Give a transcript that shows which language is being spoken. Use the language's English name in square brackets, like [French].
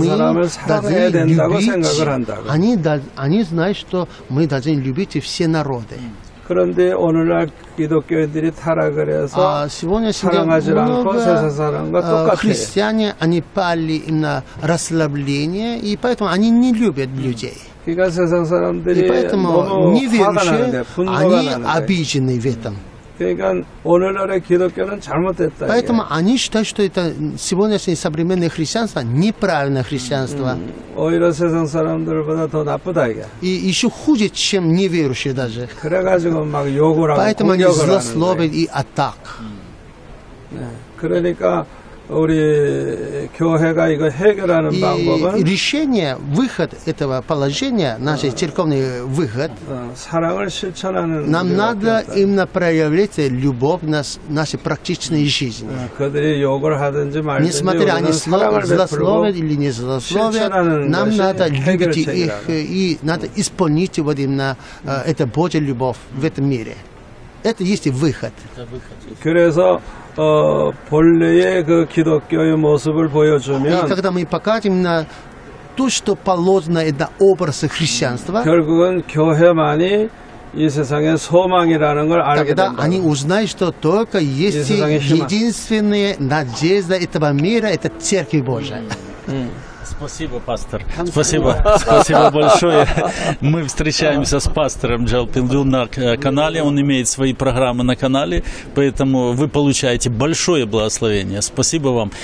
[Korean] 사람을 사랑해야 된다고 생각을 한다고. [Russian] 아니 знаю, что мы должны любить все народы. [Korean] 그런데 오늘날 기독교인들이 타락을 해서 사랑하지 않고 세상 사람과 똑같아요. [Russian] Христиане они пали на расслабление и поэтому они не любят людей. [Korean] 그러니까 세상 사람들이 [Russian] неверующие они обижены в этом. [Korean] 그러니까 오늘날의 기독교는 잘못됐다. [Russian] Поэтому они считают, что это сегодняшнее современное христианство неправильное христианство. [Korean] 오히려 세상 사람들보다 더 나쁘다 이게. [Russian] И еще хуже, чем неверующие даже. [Korean] 그래가지고 막 욕을 하고 [Russian] поэтому они злословят и атак. [Korean] 그러니까 우리 교회가 이거 해결하는 방법은 [Russian] и решение, выход этого положения, наш церковный выход, [Korean] 사랑을 실천하는 [Russian] нам надо именно проявлять любовь в нашей практичной жизни. [Korean] 그들이 욕을 하든지 말든지 [Russian] несмотря они злословят или не злословят, нам надо любить их и надо исполнить вот именно это Божья любовь в этом мире. Это есть выход. [Korean] 그래서 본래의 그 기독교의 모습을 보여주면 [Russian] когда мы покажем на то, что положено это образ христианства, [Korean] 결국은 교회만이 이 세상의 소망이라는 걸 알게 된다. [Russian] Они узнают, что только есть единственная надежда этого мира, это Церковь Божия. Спасибо, пастор. Спасибо. Спасибо большое. Мы встречаемся с пастором Джалпиндун на канале. Он имеет свои программы на канале, поэтому вы получаете большое благословение. Спасибо вам.